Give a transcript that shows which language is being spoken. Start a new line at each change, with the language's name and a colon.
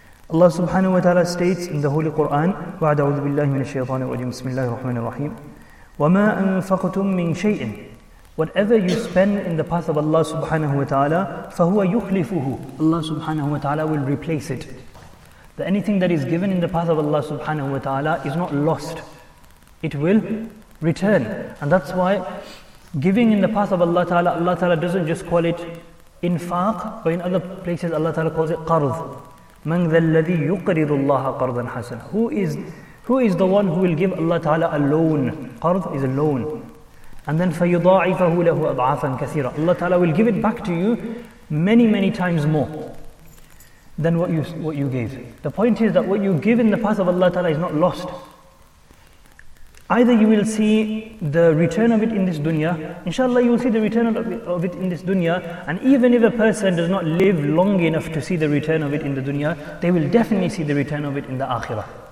English: Allah subhanahu wa ta'ala states in the Holy Quran,
Arabic: بَعْدَ أَعُوذُ بِاللَّهِ مِنَ الشَّيْطَانِ الرَّجِيمِ بِسْمِ اللَّهِ الرَّحْمَنِ الرَّحِيمِ وَمَا أَنفَقْتُم مِّن شَيْءٍ.
English: Whatever you spend in the path of Allah subhanahu wa ta'ala,
Arabic: فَهُوَ يُخْلِفُهُ.
English: Allah subhanahu wa ta'ala will replace it. That anything that is given in the path of Allah subhanahu wa ta'ala is not lost. It will return. And that's why giving in the path of Allah ta'ala, Allah ta'ala doesn't just call it infaq, but in other places Allah ta'ala calls it qard.
Arabic: مَنْ ذَا الَّذِي يُقْرِضُ اللَّهَ قَرْضًا حَسَنًا.
English: Who is the one who will give Allah ta'ala a loan? Qard is a loan. And then
Arabic: فَيُضَاعِفَهُ لَهُ أَضْعَافًا كَثِيرًا.
English: Allah ta'ala will give it back to you many, many times more than what you gave. The point is that what you give in the path of Allah ta'ala is not lost. Either you will see the return of it in this dunya, inshallah you will see the return of it in this dunya, and even if a person does not live long enough to see the return of it in the dunya, they will definitely see the return of it in the akhirah.